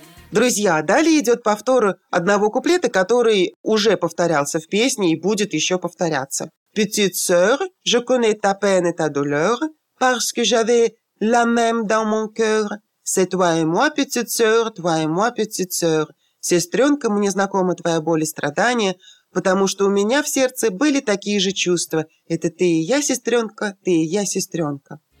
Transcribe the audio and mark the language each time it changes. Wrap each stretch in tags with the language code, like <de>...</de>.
<ru>Друзья, далее идет повтор одного куплета, который уже повторялся в песне и будет еще повторяться.</ru> <fr>Petite sœur, je connais ta peine et ta douleur, parce que j'avais la même dans mon cœur. C'est toi et moi, petite sœur, toi et moi, petite sœur.</fr> <ru>Сестренка, мне знакома твоя боль и страдания, потому что у меня в сердце были такие же чувства. Это ты и я, сестренка, ты и я, сестренка.</ru>